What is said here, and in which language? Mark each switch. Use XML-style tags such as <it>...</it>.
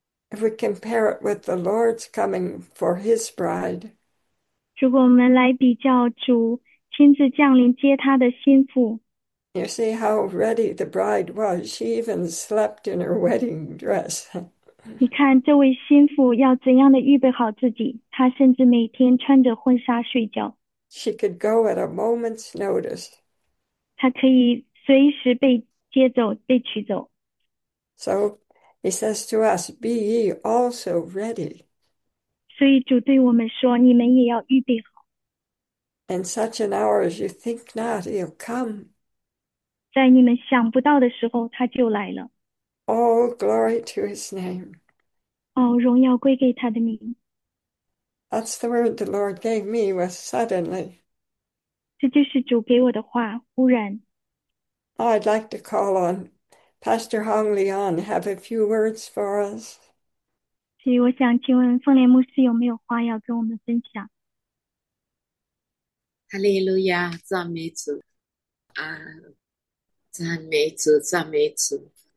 <en>If we compare it with the Lord's coming for his bride,</en> <zh>如果我们来比较主亲自降临接他的心腹。</zh> <en>you see how ready the bride was. She even slept in her wedding dress.</en> <zh>你看，这位新妇要怎样的预备好自己？她甚至每天穿着婚纱睡觉。</zh> <en>She could go at a moment's notice.</en> <zh>她可以随时被接走、被取走。</zh> <en>So, He says to us, be ye also ready.</en> <zh>所以主对我们说：“你们也要预备好。</zh> <en>In such an hour as you think not, he'll come.</en> <zh>”在你们想不到的时候，他就来了。</zh> <en>All glory to his name.</en> <zh>Oh, 荣耀归给他的名。</zh> <en>That's the word the Lord gave me was suddenly.</en> <zh>这就是主给我的话，忽然。</zh> <en>Oh, I'd like to call on Pastor Hong Leon, have a few words for us.</en> <zh>所以我想请问凤莲牧师有没有话要跟我们分享？ Hallelujah, 赞美主赞美主，赞美主。</zh>